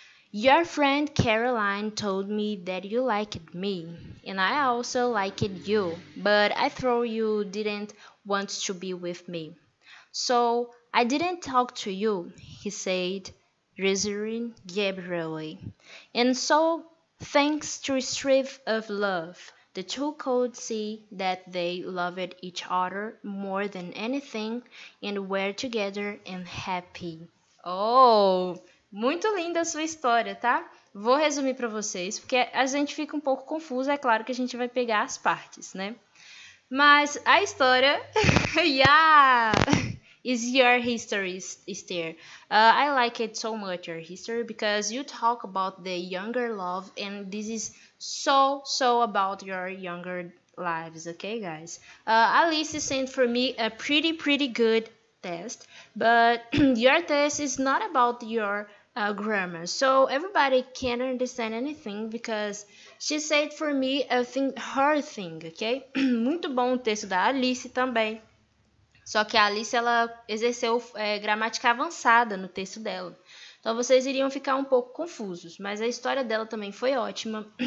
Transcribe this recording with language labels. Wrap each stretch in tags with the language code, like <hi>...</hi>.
<en>Your friend Caroline told me that you liked me, and I also liked you, but I thought you didn't want to be with me. So I didn't talk to you, he said, Jezreel Gabriel. And so, thanks to a strife of love, the two could see that they loved each other more than anything and were together and happy.</en> <pt>Oh, muito linda a sua história, tá? Vou resumir para vocês, porque a gente fica um pouco confusa, é claro que a gente vai pegar as partes, né? Mas a história...</pt> <en>yeah! Is your history, Esther? I like it so much, your history, because you talk about the younger love, and this is so, so about your younger lives, okay, guys? Alice sent for me a pretty, pretty good test, but your test is not about your grammar, so everybody can't understand anything, because she said for me a thing, her thing, ok?</en> <pt>Muito bom o texto da Alice também, só que a Alice, ela exerceu gramática avançada no texto dela, então vocês iriam ficar um pouco confusos, mas a história dela também foi ótima.</pt>